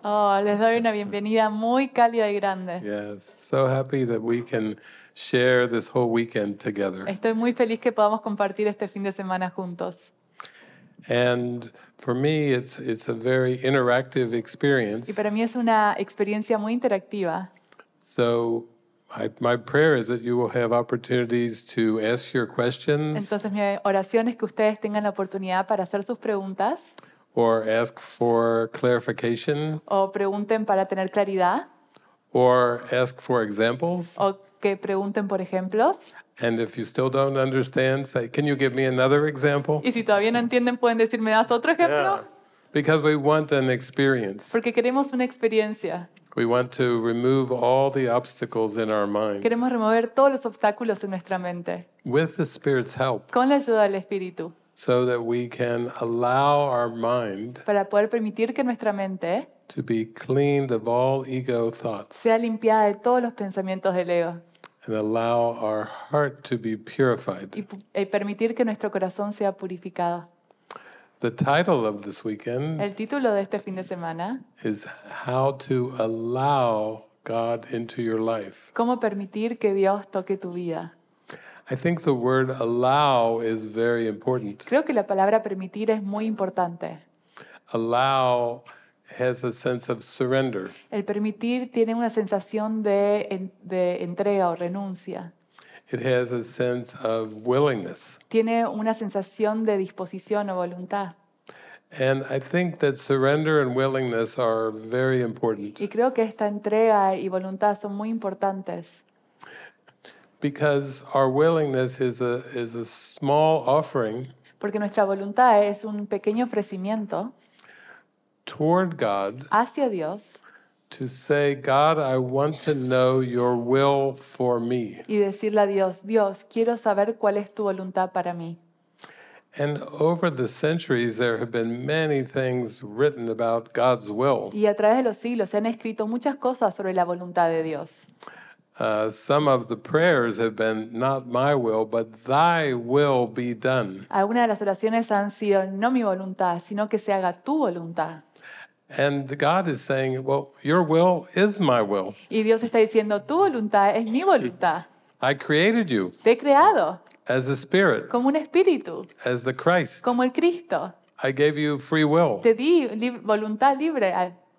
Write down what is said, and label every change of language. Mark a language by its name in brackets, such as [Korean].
[Spanish] Oh, les doy una bienvenida muy cálida y grande. [English] Yes, so happy that we can share this whole weekend together. [Spanish] Estoy muy feliz que podamos compartir este fin de semana juntos. [English] And for me, it's a very interactive experience. [Spanish] Y para mí es una experiencia muy interactiva. [English] So my prayer is that you will have opportunities to ask your questions. [Spanish] Entonces mi oración es que ustedes tengan la oportunidad para hacer sus preguntas. [English] Or ask for clarification. [Spanish] O pregunten para tener claridad. [English] Or ask for examples. [Spanish] O que pregunten por ejemplos. [English] And if you still don't understand, say, can you give me another example? [Spanish] Y si todavía no entienden, pueden decir, ¿me das otro ejemplo? Yeah. [English] Because we want an experience. [Spanish] Porque queremos una experiencia. [English] We want to remove all the obstacles in our mind. [Spanish] Queremos remover todos los obstáculos en nuestra mente. [English] With the Spirit's help. [Spanish] Con la ayuda del Espíritu. [English] So that we can allow our mind [Spanish] para poder permitir que nuestra mente [English] to be cleaned of all ego thoughts [Spanish] sea limpiada de todos los pensamientos del ego [English] and allow our heart to be purified [Spanish] y permitir que nuestro corazón sea purificado. [English] The title of this weekend [Spanish] el título de este fin de semana [English] is how to allow God into your life. [Spanish] Cómo permitir que Dios toque tu vida. [English] I think the word allow is very important. [Spanish] Creo que la palabra permitir es muy importante. [English] Allow has a sense of surrender. [Spanish] El permitir tiene una sensación de entrega o renuncia. [English] It has a sense of willingness. [Spanish] Tiene una sensación de disposición o voluntad. [English] And I think that surrender and willingness are very important. [Spanish] Y creo que esta entrega y voluntad son muy importantes. [English] Because our willingness is a small offering. [Spanish] Porque nuestra voluntad es un pequeño ofrecimiento. [English] Toward God. [Spanish] Hacia Dios. [English] To say, God, I want to know Your will for me. [Spanish] Y decirle a Dios, Dios, quiero saber cuál es tu voluntad para mí. [English] And over the centuries, there have been many things written about God's will. [Spanish] Y a través de los siglos se han escrito muchas cosas sobre la voluntad de Dios. [English] Some of the prayers have been not my will, but Thy will be done. [Spanish] Algunas de las oraciones han sido no mi voluntad, sino que se haga tu voluntad. [English] And God is saying, "Well, Your will is my will." [Spanish] Y Dios está diciendo, tu voluntad es mi voluntad. [English] I created you. [Spanish] Te he creado. [English] As a spirit. [Spanish] Como un espíritu. [English] As the Christ. [Spanish] Como el Cristo. [English] I gave you free will. [Spanish] Te di voluntad libre.